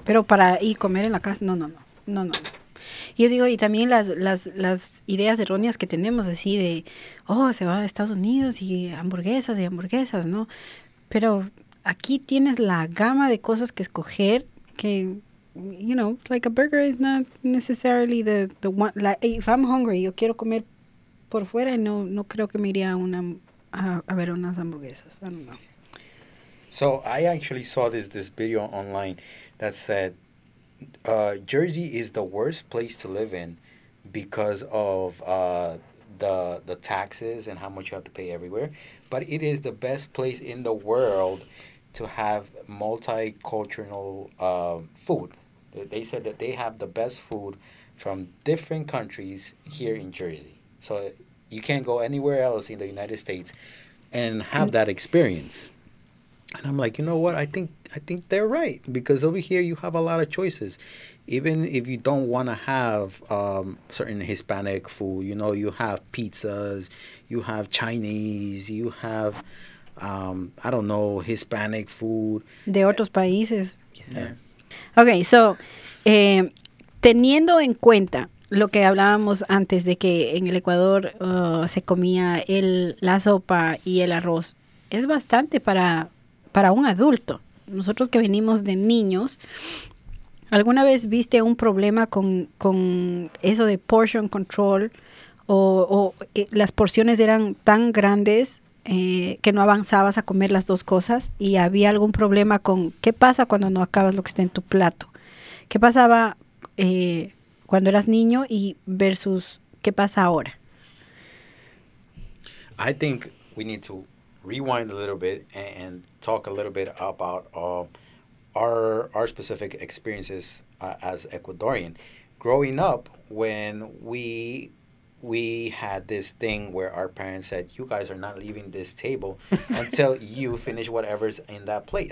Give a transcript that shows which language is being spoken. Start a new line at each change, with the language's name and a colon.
Spanish: Pero para ir comer en la casa, no. Yo digo, y también las ideas erróneas que tenemos así de, oh, se va a Estados Unidos y hamburguesas, ¿no? Pero aquí tienes la gama de cosas que escoger que...
English: You know, like a burger is not necessarily the one. Like, if I'm hungry,
Spanish: yo quiero comer por fuera, y no creo que me iría a ver unas hamburguesas.
English: I don't know. So I actually saw this video online that said Jersey is the worst place to live in because of the taxes and how much you have to pay everywhere, but it is the best place in the world to have multicultural food. They said that they have the best food from different countries here in Jersey. So you can't go anywhere else in the United States and have that experience. And I'm like, you know what? I think they're right. Because over here, you have a lot of choices. Even if you don't want to have certain Hispanic food, you know, you have pizzas, you have Chinese, you have, I don't know, Hispanic food.
Spanish: De otros países.
English: Yeah.
Spanish: Okay, so, teniendo en cuenta lo que hablábamos antes de que en el Ecuador se comía la sopa y el arroz, es bastante para un adulto. Nosotros que venimos de niños, ¿alguna vez viste un problema con eso de portion control o las porciones eran tan grandes que no avanzabas a comer las dos cosas y había algún problema con qué pasa cuando no acabas lo que está en tu plato? ¿Qué pasaba cuando eras niño y versus qué pasa ahora?
English: I think we need to rewind a little bit and talk a little bit about our specific experiences as Ecuadorian. Growing up, when we had this thing where our parents said, you guys are not leaving this table until you finish whatever's in that plate.